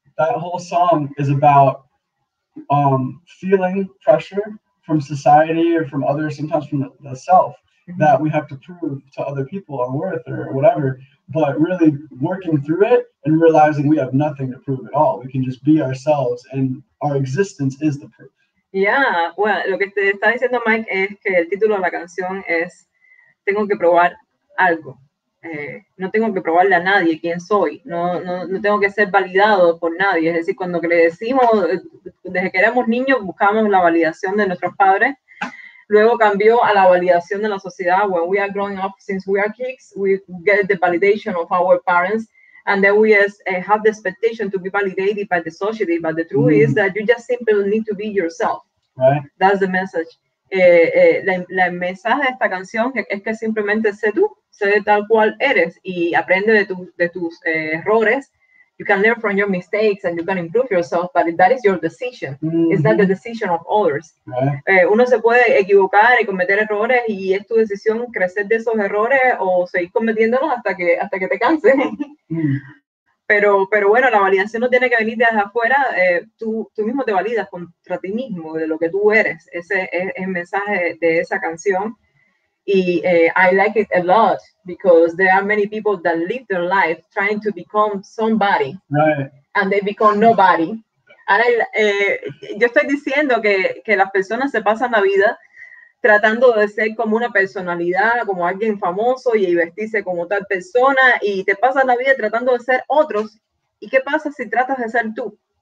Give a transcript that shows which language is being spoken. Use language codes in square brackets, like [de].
[en] That whole song is about feeling pressure from society or from others, sometimes from the self, mm-hmm. that we have to prove to other people our worth or whatever, but really working through it and realizing we have nothing to prove at all. We can just be ourselves and our existence is the proof. Yeah, well, [es] lo que te está diciendo Mike es que el título de la canción es tengo que probar algo. No tengo que probarle a nadie quién soy, no tengo que ser validado por nadie. Es decir, cuando le decimos, desde que éramos niños buscamos la validación de nuestros padres, luego cambió a la validación de la sociedad. [en] When we are growing up, since we are kids, we get the validation of our parents, and then we have the expectation to be validated by the society, but the truth is that you just simply need to be yourself, right? That's the message. [es] La mensaje de esta canción es que simplemente sé tú, sé de tal cual eres y aprende de tus errores. [en] You can learn from your mistakes and you can improve yourself, but that is your decision. Mm-hmm. It's not the decision of others. Right. [es] Uno se puede equivocar y cometer errores y es tu decisión crecer de esos errores o seguir cometiéndolos hasta que te canses. Pero bueno, la validación no tiene que venir desde afuera. Tú mismo te validas contra ti mismo, de lo que tú eres. Ese es el mensaje de esa canción. [en] Y I like it a lot because there are many people that live their life trying to become somebody. Right. And they become nobody. [es] Ahora, yo estoy diciendo que las personas se pasan la vida tratando de ser como una personalidad, como alguien famoso y vestirse como tal persona, y te pasas la vida tratando de ser otros. ¿Y qué pasa si tratas de ser tú?